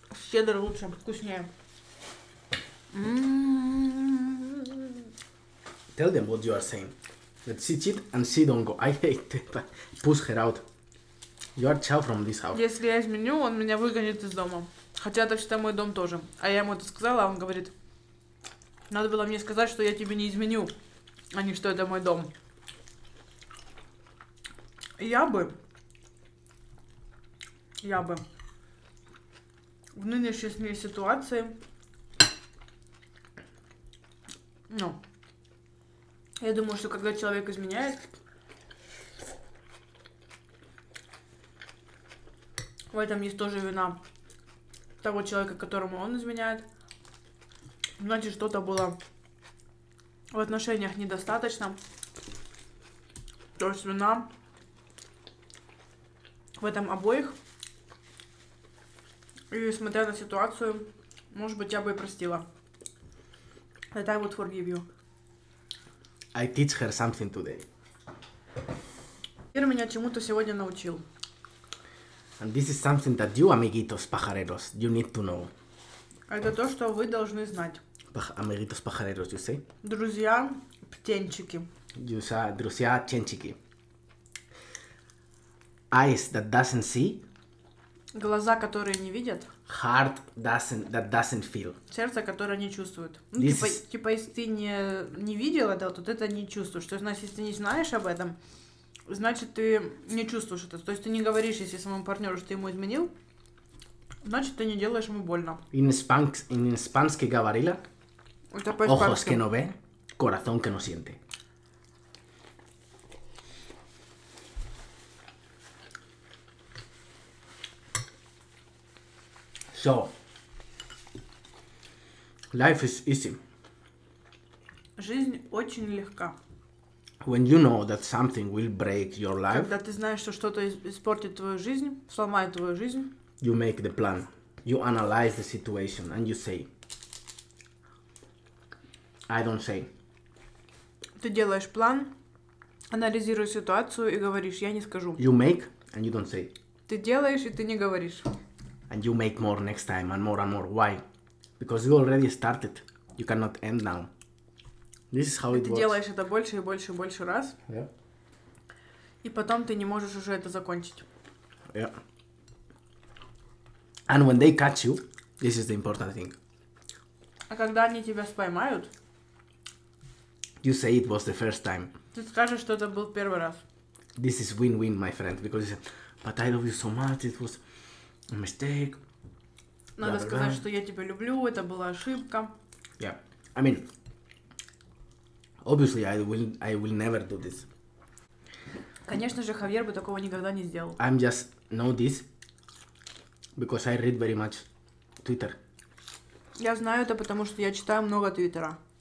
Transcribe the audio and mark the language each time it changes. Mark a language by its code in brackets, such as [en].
[ru] Щедро лучше, вкуснее. [en] Tell them what you are saying. That she cheat and she don't go. I hate that. Push her out. You are chow from this house. [ru] Если я изменю, он меня выгонит из дома. Хотя это всегда мой дом тоже. А я ему это сказала, а он говорит, надо было мне сказать, что я тебе не изменю, а не что это мой дом. Я бы в нынешней ситуации, ну, я думаю, что когда человек изменяет, в этом есть тоже вина того человека, которому он изменяет, значит, что-то было в отношениях недостаточно, то есть вина в этом обоих. И смотря на ситуацию, может быть, я бы и простила. [en] That I would forgive you. I teach her something today. [ru] Ир меня чему-то сегодня научил. [en] And this is something that you, [es] amiguitos pajareros, [en] you need to know. [ru] Это то, что вы должны знать. [es] Amiguitos pajareros, [en] you say? [ru] Друзья, птенчики. [en] You say, [ru] друзья, птенчики. [en] Eyes that doesn't see. [ru] Глаза, которые не видят. [en] Heart doesn't, that doesn't feel. [ru] Сердце, которое не чувствует. Ну, типа, [en] is... [ru] типа, если ты не видел это, то ты это не чувствуешь. То есть, значит, если ты не знаешь об этом, значит, ты не чувствуешь это. То есть, ты не говоришь, если своему партнеру, что ты ему изменил, значит, ты не делаешь ему больно. [en] In Spanish [ru] говорила, [es] ojos que no ve, corazón que no siente. [en] So, life is easy. [ru] Жизнь очень легка. [en] When you know that something will break your life, [ru] когда ты знаешь, что что-то испортит твою жизнь, сломает твою жизнь, [en] you make the plan. You analyze the situation and you say, I don't say. [ru] Ты делаешь план, анализируешь ситуацию и говоришь, я не скажу. [en] You make and you don't say. [ru] Ты делаешь и ты не говоришь. [en] And you make more next time, and more. Why? Because you already started. You cannot end now. This is how it works. [ru] Ты делаешь это больше и больше и больше раз. [en] Yeah. [ru] И потом ты не можешь уже это закончить. [en] Yeah. And when they catch you, this is the important thing. [ru] А когда они тебя споймают? [en] You say it was the first time. [ru] Ты скажешь, что это был первый раз. [en] This is win-win, my friend, because you said, but I love you so much, it was... Mistake. [ru] Надо сказать, что я тебя люблю, это была ошибка. [en] Yeah. I mean, obviously I will never do this. [ru] Конечно же, Хавьер бы такого никогда не сделал. [en] I'm just know this because I read very much Twitter. [ru] Я знаю это, потому что я читаю много Твиттера.